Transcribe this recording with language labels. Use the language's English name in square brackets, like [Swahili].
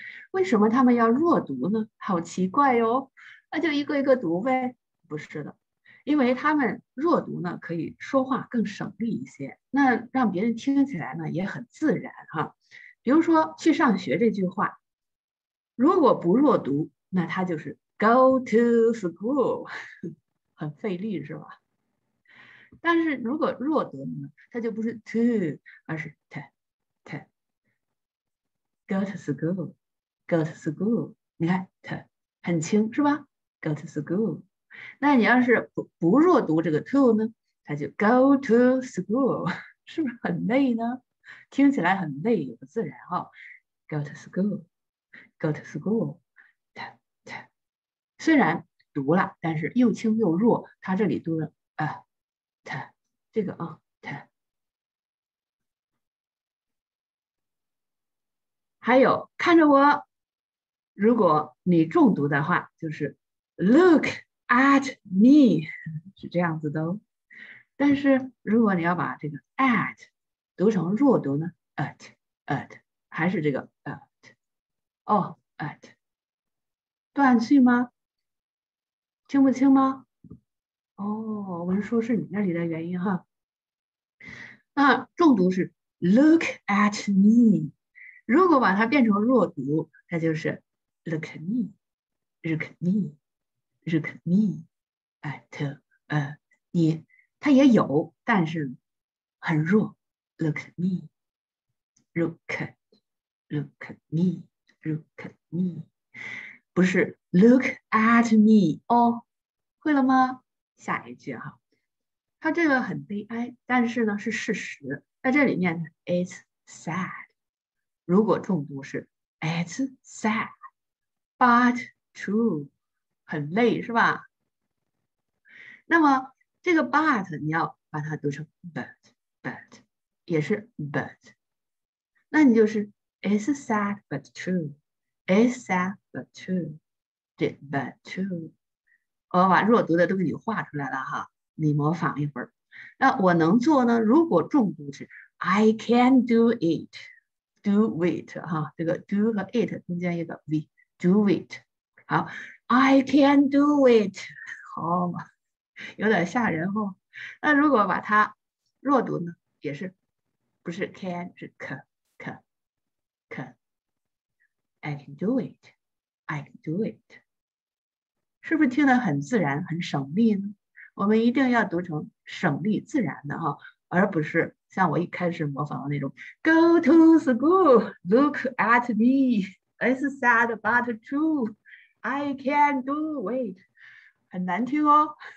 [Chinese] 为什么他们要弱读呢？好奇怪哟。那就一个一个读呗，不是的，因为他们弱读呢，可以说话更省力一些，那让别人听起来呢也很自然哈。比如说去上学这句话，如果不弱读，那它就是 [English] go to school, [Chinese] 很费力是吧？但是如果弱读呢，它就不是 to, 而是 t, t, [English] go to school, go to school, [Chinese] 你看 t, 很轻是吧？ [English] Go to school. [Chinese] 那你要是 不弱读这个 to 呢，它就 go to school. 是不是很累呢？听起来很累也不自然哈。 [English] Go to school. Go to school. [Chinese] 它它虽然读了，但是又轻又弱，它这里读了啊，它这个啊，它还有看着我，如果你重读的话，就是 [English] Look at me, [Chinese] 是这样子的哦。但是如果你要把这个 at 读成弱读呢 ，at at 还是这个 at, 哦 at, 断句吗？听不清吗？哦，文叔是你那里的原因哈。那重读是 look at me, 如果把它变成弱读，它就是 [English] look at me, look at me。 Look me at [Chinese] 你，它也有，但是很弱。 [English] Look at me, look at, look at me, look at me, [Chinese] 不是 [English] look at me [Chinese] 哦，会了吗？下一句哈，它这个很悲哀，但是呢是事实。在这里面呢 ， [English] it's sad, [Chinese] 如果重读是 [English] it's sad, but true. [Chinese] 很累是吧？那么这个 but 你要把它读成 but 也是 but, 那你就是 [English] it's sad but true, [Chinese] it's sad but true, 这 but true, 我把弱读的都给你画出来了哈，你模仿一会儿。那我能做呢？如果重读是 [English] I can do it, do it [Chinese] 哈，这个 do 和 it 中间一个 v, [English] do it, [Chinese] 好。 [English] I can do it, [Chinese] 好嘛，有点吓人哦。那如果把它弱读呢，也是不是 can, 是 can, [English] I can do it, I can do it, [Chinese] 是不是听得很自然很省力呢？我们一定要读成省力自然的哈，而不是像我一开始模仿的那种 [English] go to school, look at me, it's sad but true,I can do it, [Chinese] 很难听哦。